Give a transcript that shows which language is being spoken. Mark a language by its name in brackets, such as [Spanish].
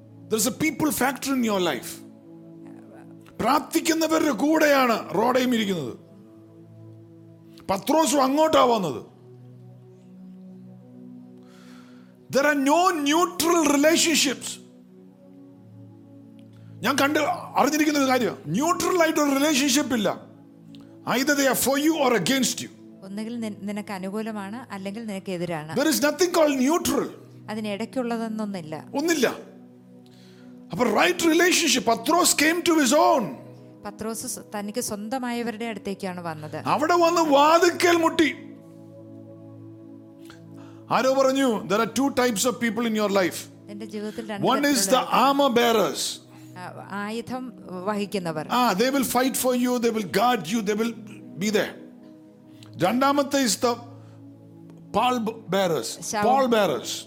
[English] There's a people factor in your life. [Malayalam] പ്രാർത്ഥിക്കുന്നവരുടെ കൂടെയാണ് റോഡയും ഇരിക്കുന്നത്. പത്രോസും അങ്ങോട്ടാ വന്നത്. [English] There are no neutral relationships. [Malayalam] ഞാൻ കണ്ട് അറിഞ്ഞിരിക്കുന്ന ഒരു കാര്യം, ന്യൂട്രൽ ആയിട്ട് ഒരു റിലേഷൻഷിപ്പ് ഇല്ല. [English] Either they are for you or against you. [Malayalam] ഒന്നുകിൽ നിനക്ക് അനുകൂലമാണ് അല്ലെങ്കിൽ നിനക്ക് എതിരാണ്. [English] There is nothing called neutral. [Malayalam] അതിന് ഇടയ്ക്കുള്ളതൊന്നില്ല. ഒന്നില്ല. അപ്പോൾ [English] Right relationship. [Malayalam] Pathros [English] Came to his own. [Malayalam] പത്രോസ് തനിക്ക് സ്വന്തമായവരുടെ അടുത്തേക്കാണ് വന്നത്. അവിടെ വന്ന് വാതിക്കൽ മുട്ടി. ആരോ പറഞ്ഞു, [English] there are two types of people in your life. [Malayalam] എന്റെ ജീവിതത്തിൽ [English] രണ്ട്. One is the armor bearers. [Malayalam] ആയുധം വഹിക്കുന്നവർ. [English] They will fight for you, they will guard you, they will be there. രണ്ടാമത്തെ is the pall bearers.